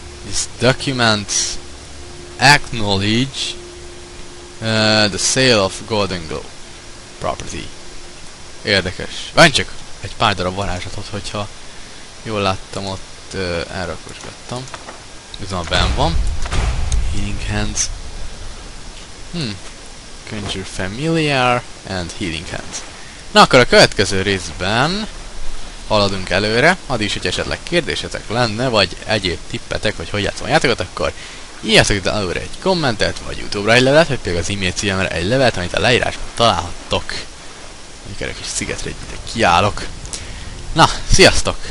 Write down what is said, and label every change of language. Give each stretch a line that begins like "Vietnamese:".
English: This document acknowledge the sale of Golden Globe property.
Hungarian: Érdekes. Várj csak, egy pár darab varázslatot, hogyha jól láttam, ott elrakosgattam. Üzen a ben van. Healing Hands.
English: Conjure Familiar and Healing Hands.
Hungarian: Na akkor a következő részben haladunk előre. Addig is, hogy esetleg kérdésetek lenne, vagy egyéb tippetek, vagy hogy játszom a játékot, akkor írjátok itt előre egy kommentet, vagy YouTube-ra egy levelet, vagy például az e-mail címemre egy levelet, amit a leírásban találhattok. Mikor egy kis szigetre kiállok. Na, sziasztok!